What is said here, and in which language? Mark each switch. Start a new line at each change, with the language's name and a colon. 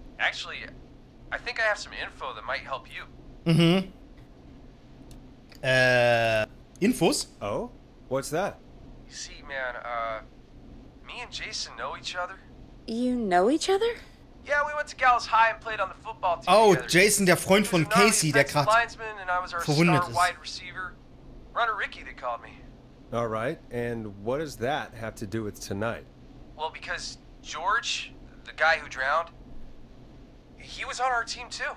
English: Actually, I think I have some info that might help you.
German: Mhm. Infos?
English: Oh? What's that? You see, man, me and Jason know each other. You know each other? Yeah, we went to Gallus High and played on the football team. Oh, together.
German: Jason, der Freund von Casey, der gerade verwundet ist.
English: Wide receiver. Runner Ricky, they called me. All right, and what does that have to do with tonight? Well, because George, the guy who drowned, he was on our team too.